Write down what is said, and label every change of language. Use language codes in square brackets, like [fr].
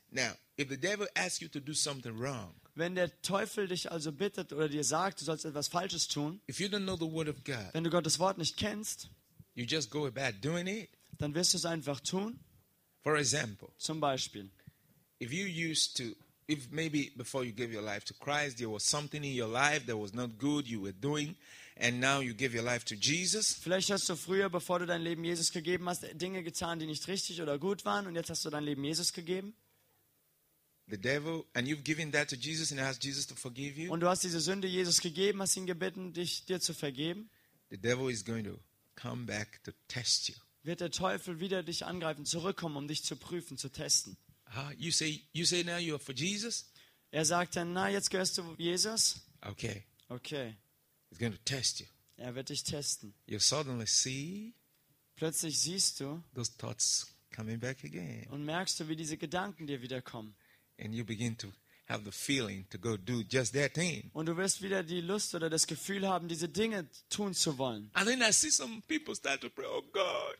[en] Now, if the devil asks you to do something wrong, [de] wenn der Teufel dich also bittet oder dir sagt, du sollst etwas Falsches tun, [en] if you don't know the word of God, [de] wenn du Gottes Wort nicht kennst, [en] you just go about doing it. [de] Dann wirst du es einfach tun. [en] For example, [de] zum Beispiel, [en] if you used to, if maybe before you gave your life to Christ, there was something in your life that was not good you were doing. And now you give your life to Jesus. [de] Vielleicht hast du früher, bevor du dein Leben Jesus gegeben hast, Dinge getan, die nicht richtig oder gut waren, und jetzt hast du dein Leben Jesus gegeben. [en] The devil, and you've given that to Jesus and asked Jesus to forgive you. [de] Und du hast diese Sünde Jesus gegeben, hast ihn gebeten, dir zu vergeben. [en] The devil is going to come back to test you. [de] Wird der Teufel wieder dich angreifen, zurückkommen, um dich zu prüfen, zu testen? [en] You say now you are for Jesus? [de] Er sagt dann, na, jetzt gehörst du Jesus? [en] Okay. [de] Okay. [en] He's going to test you. [de] Er wird dich testen. [en] You suddenly see. [de] Plötzlich siehst du. [en] Those thoughts coming back again. [de] Und merkst du, wie diese Gedanken dir wiederkommen. [en] And you begin to have the feeling to go do just that thing. [de] Und du wirst wieder die Lust oder das Gefühl haben, diese Dinge tun zu wollen. [en] And then I see some people start to pray, oh God.